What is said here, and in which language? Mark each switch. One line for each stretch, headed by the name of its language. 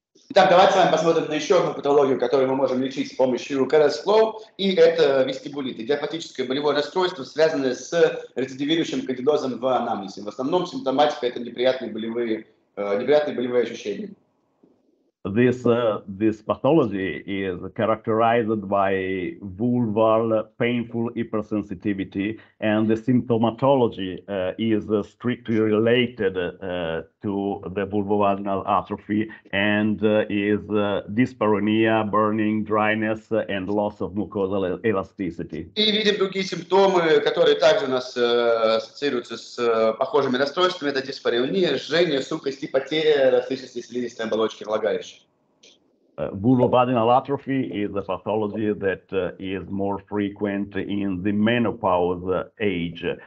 Russian: Итак, давайте с вами посмотрим на еще одну патологию, которую мы можем лечить с помощью Carisflu, и это вестибулит, идиопатическое болевое расстройство, связанное с рецидивирующим кандидозом в анамнезе. В основном симптоматика – это неприятные болевые ощущения.
English: This pathology is characterized by vulval painful hypersensitivity, and the symptomatology is strictly related to the vulvovaginal atrophy and is dyspareunia, burning, dryness, and loss of mucosal elasticity.
Russian: И видим другие симптомы, которые также у нас ассоциируются с похожими расстройствами. Это диспареуния, жжение, сухость и потеря эластичности слизистой оболочки влагалища.
English: Vulvovaginal atrophy is a pathology that is more frequent in the menopause age.